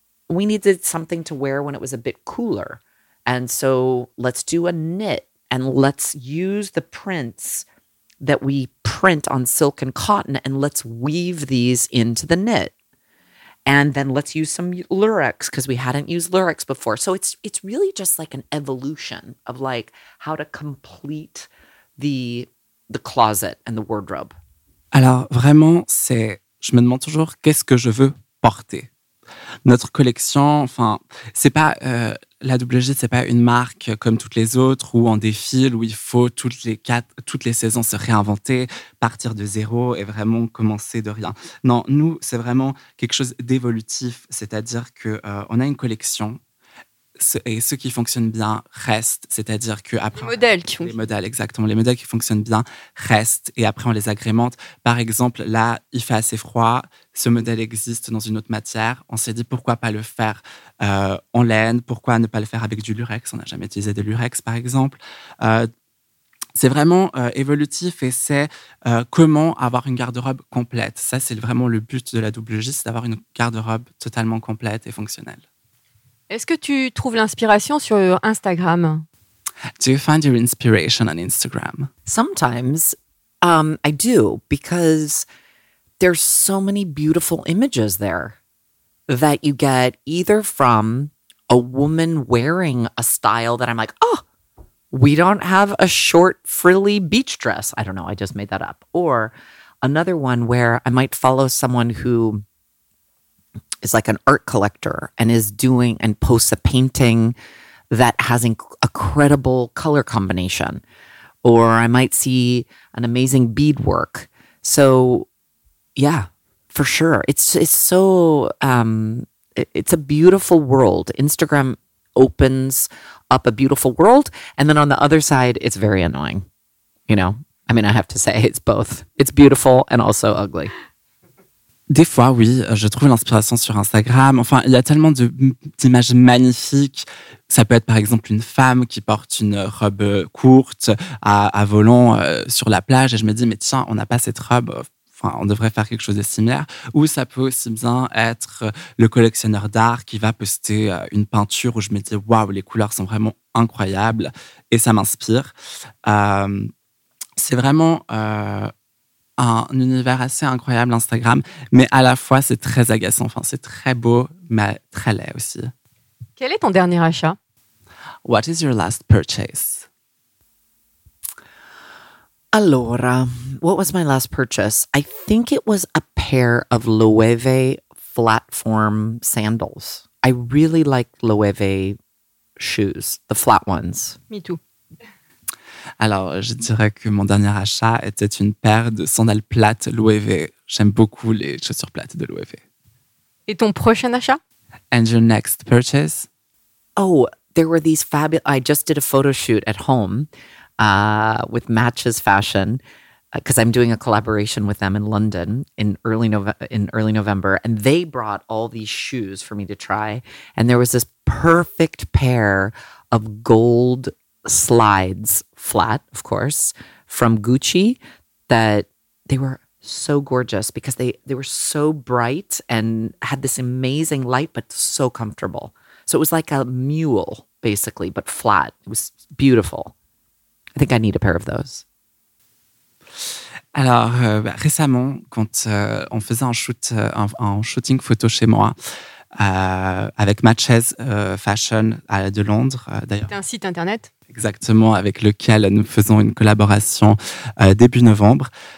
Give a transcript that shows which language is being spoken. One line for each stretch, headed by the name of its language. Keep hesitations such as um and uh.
English: We needed something to wear when it was a bit cooler. And so, let's do a knit and let's use the prints that we print on silk and cotton and let's weave these into the knit and then let's use some lyrics because we hadn't used lyrics before so it's it's really just like an evolution of like how to complete the the closet and the wardrobe
French: alors vraiment c'est je me demande toujours qu'est-ce que je veux porter notre collection. Enfin, c'est pas euh, la WG, c'est pas une marque comme toutes les autres ou en défile où il faut toutes les quatre, toutes les saisons se réinventer, partir de zéro et vraiment commencer de rien. Non, nous, c'est vraiment quelque chose d'évolutif, c'est-à-dire que euh, on a une collection ce, et ceux qui fonctionnent bien restent. C'est-à-dire que après les modèles qui ont... les modèles, exactement les modèles qui fonctionnent bien restent et après on les agrémente. Par exemple, là, il fait assez froid. Ce modèle existe dans une autre matière. On s'est dit pourquoi pas le faire euh, en laine Pourquoi ne pas le faire avec du lurex On n'a jamais utilisé de lurex, par exemple. Euh, c'est vraiment euh, évolutif et c'est comment avoir une garde-robe complète. Ça, c'est vraiment le but de la double G, c'est d'avoir une garde-robe totalement complète et fonctionnelle. Est-ce que tu trouves l'inspiration sur Instagram?
English: Do you find your inspiration on Instagram? Sometimes um, I do because there's so many beautiful images there that you get either from a woman wearing a style that I'm like, oh, we don't have a short, frilly beach dress. I don't know. I just made that up. Or another one where I might follow someone who is like an art collector and is doing and posts a painting that has a credible color combination. Or I might see an amazing bead work. So, yeah, for sure. It's, it's so, um, it, it's a beautiful world. Instagram opens up a beautiful world. And then on the other side, it's very annoying. You know, I mean, I have to say, it's both. It's beautiful and also ugly.
French: Des fois, oui, je trouve l'inspiration sur Instagram. Enfin, il y a tellement d'images magnifiques. Ça peut être par exemple une femme qui porte une robe courte à, à volant euh, sur la plage et je me dis, mais tiens, on n'a pas cette robe. Enfin, on devrait faire quelque chose de similaire. Ou ça peut aussi bien être le collectionneur d'art qui va poster une peinture où je me dis, waouh, les couleurs sont vraiment incroyables et ça m'inspire. Euh, C'est vraiment euh un univers assez incroyable Instagram, mais à la fois c'est très agaçant. Enfin, c'est très beau, mais très laid aussi. Quel est ton dernier achat
English: What is your last purchase Alors, what was my last purchase I think it was a pair of Loewe flat form sandals. I really like Loewe shoes, the flat ones. Me too.
French: Alors, je dirais que mon dernier achat était une paire de sandales plates l'OEV. J'aime beaucoup les chaussures plates de l'OEV. Et ton prochain achat?
English: And your next purchase? Oh, there were these fabulous. I just did a photo shoot at home uh, with Matches Fashion because I'm doing a collaboration with them in London in early, Nove- in early November. And they brought all these shoes for me to try. And there was this perfect pair of gold slides flat, of course, from Gucci that they were so gorgeous because they they were so bright and had this amazing light but so comfortable. So it was like a mule basically, but flat. It was beautiful. I think I need a pair of those.
French: Alors euh, récemment quand euh, on faisait un shoot un, un shooting photo chez moi, Euh, avec Matches euh, Fashion euh, de Londres d'ailleurs. C'est un site internet. Exactement, avec lequel nous faisons une collaboration début novembre.